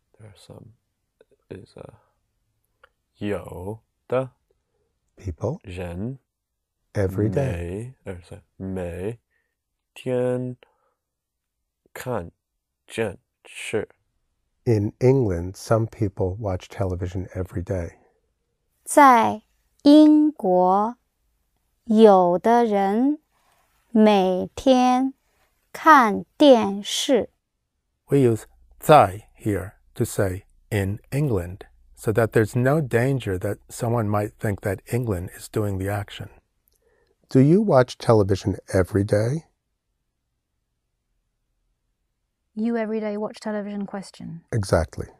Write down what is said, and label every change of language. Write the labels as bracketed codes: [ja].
[en] There are some is a 有的 people [zh] 人 [en] every day. [zh] 每天看电视. [en] In England, some people watch television every day. [zh] 在英国有的人每天看电视. [en] We use 在 here to say in England. so that there's no danger that someone might think that England is doing the action. Do you watch television every day? You every day watch television? Question. Exactly.